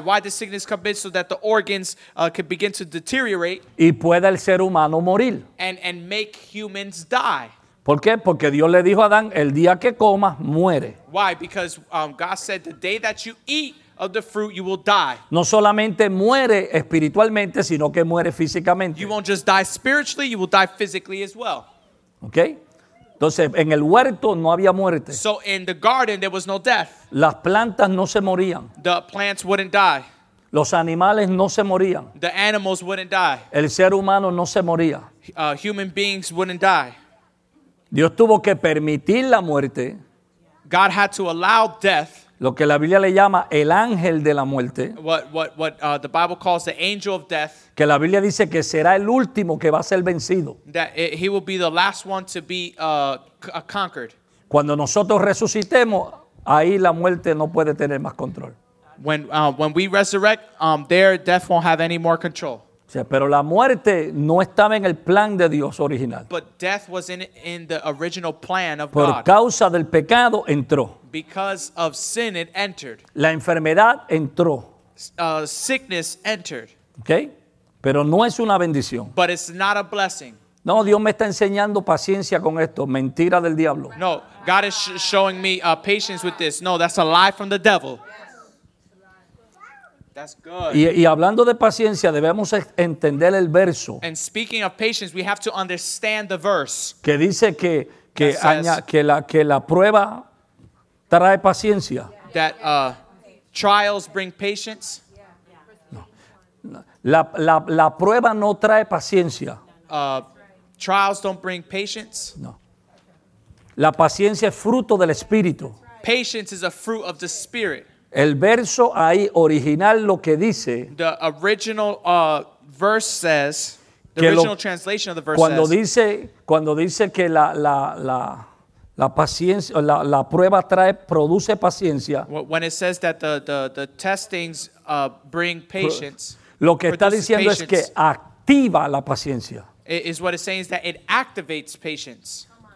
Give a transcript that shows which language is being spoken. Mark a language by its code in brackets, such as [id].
[en] Why does sickness come in so that the organs can begin to deteriorate? [es] Y pueda el ser humano morir. [en] And make humans die. [es] ¿Por qué? Porque Dios le dijo a Adán, el día que comas, muere. [en] Why? Because God said, the day that you eat of the fruit, you will die. [es] No solamente muere espiritualmente, sino que muere físicamente. [en] You won't just die spiritually, you will die physically as well. [es] Okay? Entonces, en el huerto no había muerte. [en] So in the garden, there was no death. [es] Las plantas no se morían. [en] The plants wouldn't die. [es] Los animales no se morían. [en] The animals wouldn't die. [es] El ser humano no se moría. [en] Human beings wouldn't die. [es] Dios tuvo que permitir la muerte. [en] God had to allow death. [es] Lo que la Biblia le llama el ángel de la muerte. [en] What the Bible calls the angel of death. [es] Que la Biblia dice que será el último que va a ser vencido. [en] That he will be the last one to be conquered. [es] Cuando nosotros resucitemos, ahí la muerte no puede tener más control. [en] When we resurrect, there death won't have any more control. [es] O sea, pero la muerte no estaba en el plan de Dios original. [en] But death was in the original plan of [es] Por [en] God. [es] Por causa del pecado entró. [en] Because of sin it entered. [es] La enfermedad entró. [en] Sickness entered. [es] Okay? Pero no es una bendición. [en] But it's not a blessing. [es] No, Dios me está enseñando paciencia con esto. Mentira del diablo. [en] No, God is showing me patience with this. No, that's a lie from the devil. Yes. That's good. [es] Y hablando de paciencia, debemos entender el verso. [en] And speaking of patience, we have to understand the verse. [es] Que dice que [en] says, [es] que la prueba trae paciencia. [en] That trials bring patience. [es] La prueba no trae paciencia. [en] Trials don't bring patience. [es] No. La paciencia es fruto del Espíritu. [en] Patience is a fruit of the Spirit. [es] El verso ahí original lo que dice. [en] The original verse says. The original translation of the verse [es] cuando [en] says. [es] Cuando dice que la paciencia, la prueba trae, produce paciencia. [en] When it says that the testings bring patience. [es] Lo que está diciendo es que activa la paciencia. [en] Is what it's saying is that it activates patience.